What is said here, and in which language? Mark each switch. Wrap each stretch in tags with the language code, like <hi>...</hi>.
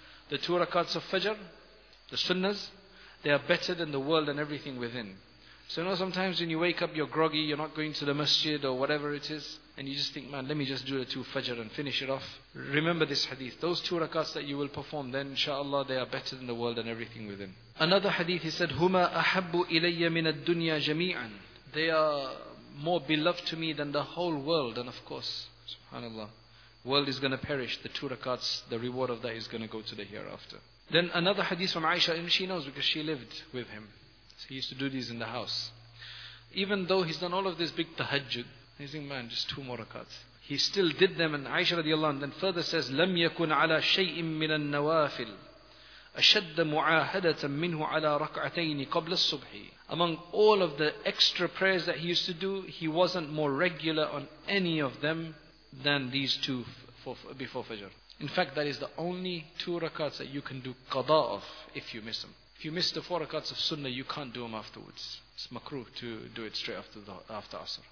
<en>The two rakats of Fajr, the sunnahs, they are better than the world and everything within. So you know sometimes when you wake up, you're groggy, you're not going to the masjid or whatever it is, and you just think, man, let me just do the two fajr and finish it off. Remember this hadith. Those two rakats that you will perform, then inshaAllah, they are better than the world and everything within. Another hadith, he said,</en> <ar>هُمَا أَحَبُّ إِلَيَّ مِنَ الدُّنْيَا جَمِيعًا.</ar> <en>They are more beloved to me than the whole world. And of course, subhanAllah, world is going to perish. The two rakats, the reward of that is going to go to the hereafter. Then another hadith from Aisha, and she knows because she lived with him. So he used to do these in the house. Even though he's done all of this big tahajjud, he's thinking, man, just two more rakats. He still did them, and Aisha radiallahu anh then further says,</en> <ar>لَمْ يَكُنْ عَلَى شَيْءٍ مِّنَ النَّوَافِلِ أَشَدَّ مُعَاهَدَةً مِّنْهُ عَلَى رَكْعَتَيْنِ قَبْلَ الصُّبْحِ.</ar> <en>Among all of the extra prayers that he used to do, he wasn't more regular on any of them than these two before Fajr. In fact, that is the only two rakats that you can do qada of if you miss them. If you miss the four rakats of sunnah, you can't do them afterwards. It's makruh to do it straight after asr.</en>